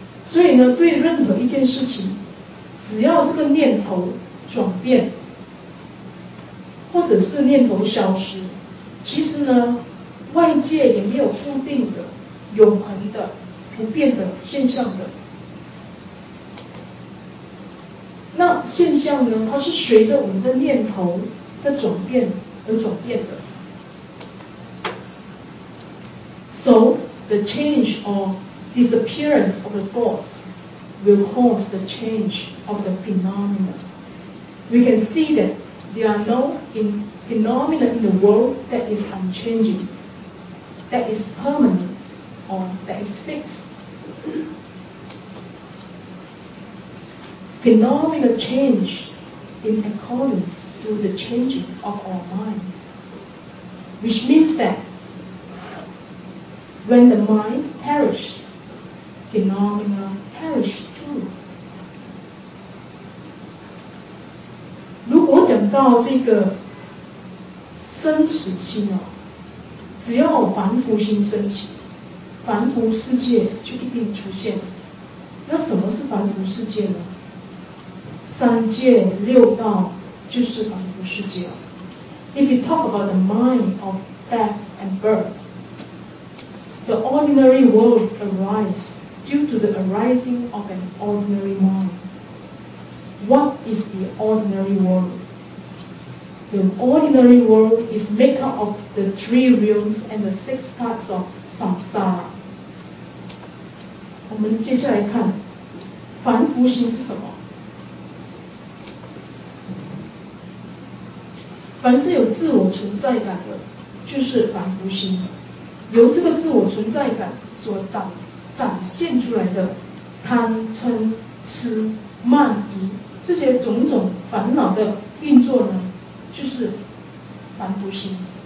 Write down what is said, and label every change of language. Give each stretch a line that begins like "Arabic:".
Chinese: 所以呢，对任何一件事情，只要这个念头转变，或者是念头消失，其实呢，外外界也没有固定的、永恒的、不变的现象的。那现象呢，它是随着我们的念头的转变而转变的。
English: So the change or disappearance of the thoughts will cause the change of the phenomena. We can see that there are no phenomena in the world that is unchanging, that is permanent or that is fixed. Phenomena change in accordance to the changing of our mind, which means that. When the mind perish, phenomena perish too.
Chinese: 如果讲到这个生死心哦，只要凡夫心升起，凡夫世界就一定出现。那什么是凡夫世界呢？三界六道就是凡夫世界哦。
English: If you talk about the mind of death and birth. The ordinary world arises due to the arising of an ordinary mind. What is the ordinary world? The ordinary world is made up of the three realms and the six types of samsara.
Chinese: 我们接下来看，凡夫心是什么？凡是有自我存在感的，就是凡夫心。由这个自我存在感所 展现出来的贪嗔痴慢疑这些种种烦恼的运作呢，就是凡夫心。